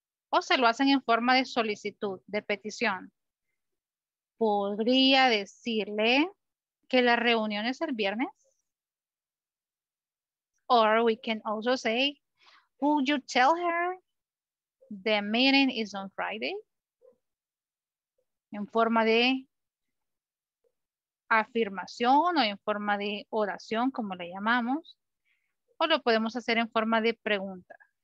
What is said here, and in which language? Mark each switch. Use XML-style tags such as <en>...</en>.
<es>O se lo hacen en forma de solicitud, de petición. Podría decirle que la reunión es el viernes.</es> <en>Or we can also say, would you tell her the meeting is on Friday?</en> <es>En forma de afirmación o en forma de oración, como le llamamos. O lo podemos hacer en forma de pregunta.</es>